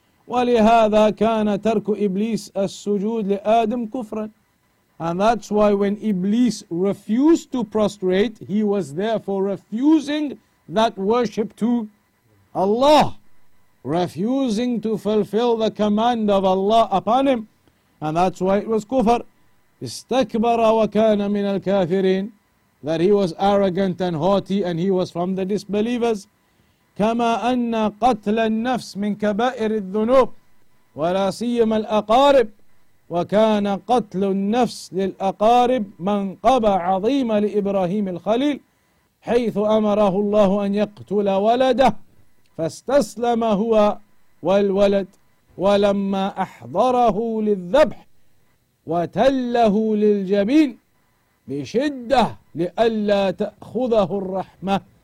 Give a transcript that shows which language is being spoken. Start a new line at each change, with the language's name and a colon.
Arabic: وَلِهَذَا كَانَ تَرْكُ إِبْلِيسَ السُّجُودِ لِآدَمْ كُفْرًا.
English: And that's why when Iblis refused to prostrate, he was therefore refusing that worship to Allah, refusing to fulfill the command of Allah upon him. And that's why it was kufr.
Arabic: استكبر وكان من الكافرين.
English: That he was arrogant and haughty and he was from the disbelievers.
Arabic: كما أن قتل النفس من كبائر الذنوب ولا سيما الأقارب وكان قتل النفس للأقارب منقبة عظيمة لإبراهيم الخليل حيث أمره الله أن يقتل ولده فاستسلم هو والولد ولما أحضره للذبح وتله للجبين بشدة لئلا تأخذه الرحمة